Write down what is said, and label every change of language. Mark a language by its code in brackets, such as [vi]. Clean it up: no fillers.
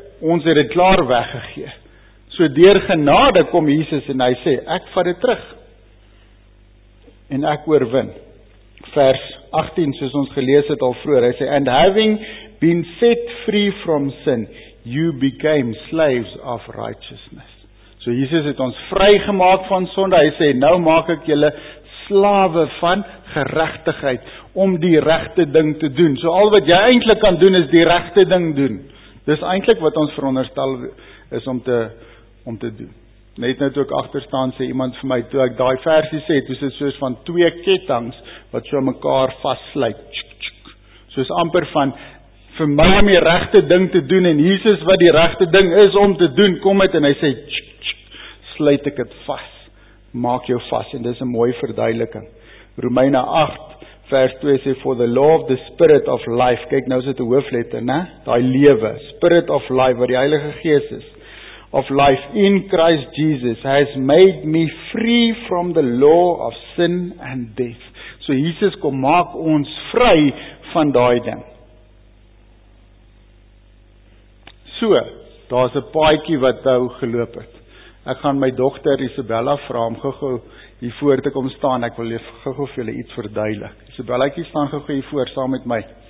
[af] Ons het dit klaar weggegee. So deur genade kom Jesus en hy sê, ek vat dit terug. En ek oorwin. Vers 18, soos ons gelees het al vroeër, hy sê, [en] and having been set free from sin, you became slaves of righteousness. [af] So Jesus het ons vry gemaak van sonde. Hy sê, nou maak ek julle slawe van geregtigheid, om die regte ding te doen. So al wat jy eintlik kan doen, is die regte ding doen. Dis eintlik wat ons veronderstel is om te doen. Net nou toe ek agterstaan, sê iemand vir my, toe ek daai versie sê, toe is dit soos van twee kettings, wat so mekaar vastsluit. Soos amper van, vir my om die regte ding te doen, en Jesus wat die regte ding is om te doen, kom uit en hy sê, sluit ek het vast. Maak jou vast, en dit is een mooie verduideliking. Romeine 8, vers 2 sê, [en] for the law of the spirit of life, [af] kyk nou is dit die hoofletter, ne? Die lewe, [en] spirit of life, [af] wat die Heilige Gees is, [en] of life in Christ Jesus, has made me free from the law of sin and death. [af] So Jesus kom maak ons vry van daai ding. So, daar is 'n paadjie wat hou geloop het. Ek gaan my dogter Isabella vra om gou-gou hier voor te kom staan. Ek wil gou-gou vir julle iets verduidelik. Isabellaatjie, staan gou-gou hier voor saam met my.